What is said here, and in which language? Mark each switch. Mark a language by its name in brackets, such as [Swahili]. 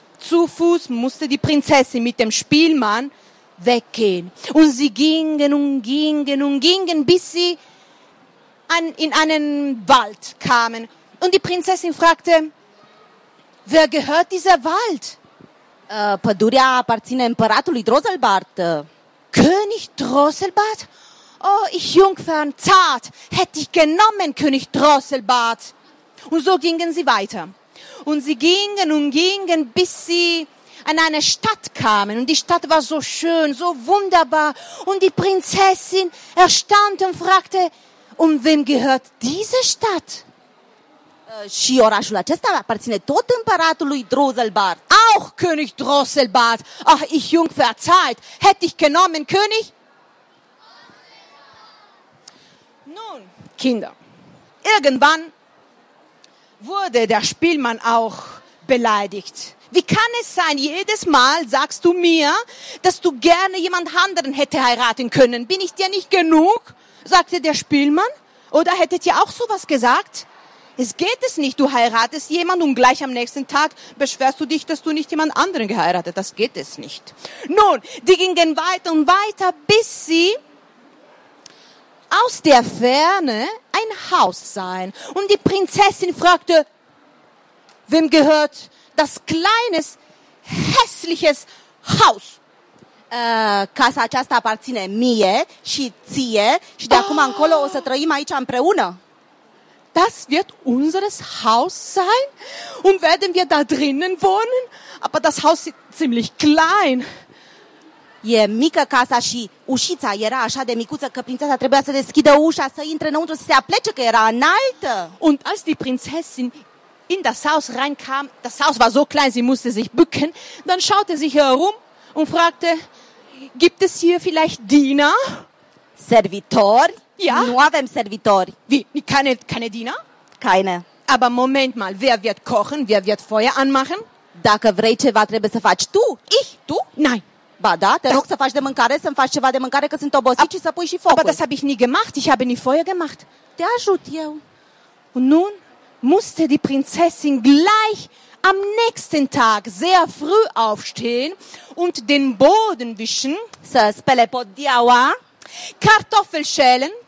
[German] Zu Fuß musste die Prinzessin mit dem Spielmann weggehen. Und sie gingen und gingen und gingen, bis sie in einen Wald kamen. Und die Prinzessin fragte, wer gehört dieser Wald? [Romanian] Pădurea aparține împăratului Drosselbart. [German] König Drosselbart? Oh, ich Jungfern, zart, hätte ich genommen, König Drosselbart. Und so gingen sie weiter. Und sie gingen und gingen, bis sie an eine Stadt kamen. Und die Stadt war so schön, so wunderbar. Und die Prinzessin erstaunte und fragte, und wem gehört diese Stadt? [Romanian] Și orașul acesta aparține tot împăratului Drosselbart. [German] Auch König Drosselbart. Ach, ich Jungfer, Zeit. Hätte ich genommen, König? Nun, Kinder, irgendwann wurde der Spielmann auch beleidigt. Wie kann es sein, jedes Mal sagst du mir, dass du gerne jemand anderen hätte heiraten können? Bin ich dir nicht genug? Sagte der Spielmann. Oder hättet ihr auch sowas gesagt? Es geht es nicht, du heiratest jemanden und gleich am nächsten Tag beschwerst du dich, dass du nicht jemand anderen geheiratet hast. Das geht es nicht. Nun, die gingen weiter und weiter, bis sie aus der Ferne ein Haus sahen. Und die Prinzessin fragte, wem gehört das kleine, hässliche Haus? [Romanian] Casa aceasta aparține mie și ție și de acum încolo o să trăim aici împreună. [German] Das wird unseres Haus sein und werden wir da drinnen wohnen, aber das Haus ist ziemlich klein. [Romanian] E mică casa și ușița era așa de micuță că prințesa trebuia să deschidă ușa, să intre înăuntru, să se aplece că era înaltă. [German] Und als die Prinzessin in das Haus reinkam, das Haus war so klein, sie musste sich bücken, dann schaute sie herum und fragte, gibt es hier vielleicht Diener? [Romanian] Servitori? [German] Ja. [Romanian] Nu avem servitori. [German] Wie? Keine Diener? Keine. Aber Moment mal, wer wird kochen? Wer wird Feuer anmachen? Dacă vrei ceva, trebuie să faci tu. Ich? [Romanian] Tu? [German] Nein. [Romanian] Ba da, te rog să faci de mâncare, să-mi faci ceva de mâncare, că sunt obosit și să pui și focul. [German] Aber das habe ich nie gemacht, ich habe nie Feuer gemacht. [Romanian] Te ajut eu. [German] Und nun musste die Prinzessin gleich am nächsten Tag sehr früh aufstehen und den Boden wischen, [Romanian] să spele podiaua, [German] Kartoffel schälen,